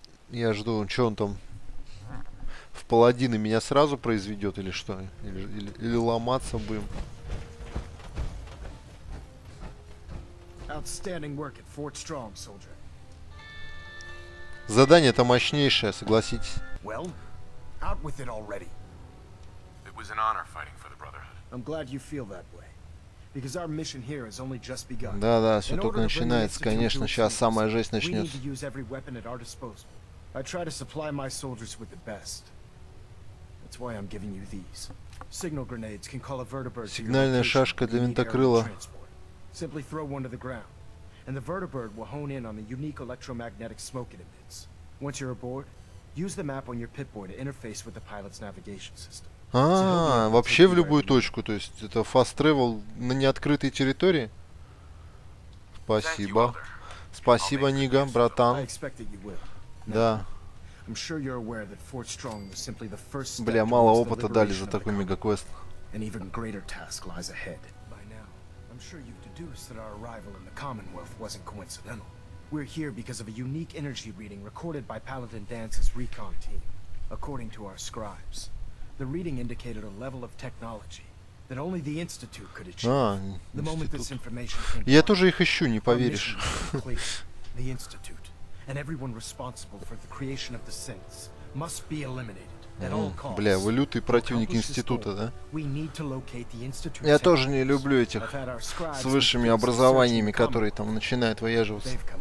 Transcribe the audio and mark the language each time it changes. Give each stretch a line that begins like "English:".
Russian: Я жду, чё он там... В паладины меня сразу произведет или что? Или ломаться будем...
English: Outstanding work at Fort Strong, soldier.
Russian: Задание-то мощнейшее, согласитесь.
English: Well, out with it already. It was an honor fighting for the Brotherhood. I'm glad you feel that way, because our mission here has only just begun.
Russian: Да-да, все только начинается, конечно, сейчас самая жесть начнется.
English: We need to use every weapon at our disposal. I try to supply my soldiers with the best. That's why I'm giving you these. Signal grenades can call a vertibird.
Russian: Сигнальная шашка для винтокрыла.
English: Simply throw one to the ground, and the vertibird will hone in on the unique electromagnetic smoke it emits. Once you're aboard, use the map on your pit boy to interface with the pilot's navigation system.
Russian: А, вообще в любую точку, то есть это fast travel на неоткрытой территории. Спасибо, спасибо, Нига, братан. Да. Бля, мало опыта дали за такой мегаквест.
English: An even greater task lies ahead. By now, I'm sure you've deduced that our arrival in the Commonwealth wasn't coincidental. We're here because of a unique energy reading recorded by Paladin Dance's recon team, according to our scribes. The reading indicated a level of technology that only the Institute could achieve. The moment this information came to the Institute, and everyone responsible for the creation of the Synths, must be eliminated at all costs.
Russian: Бля, вы лютый противник Института, да? Я тоже не люблю этих с высшими образованиями, которые там начинают выяживаться.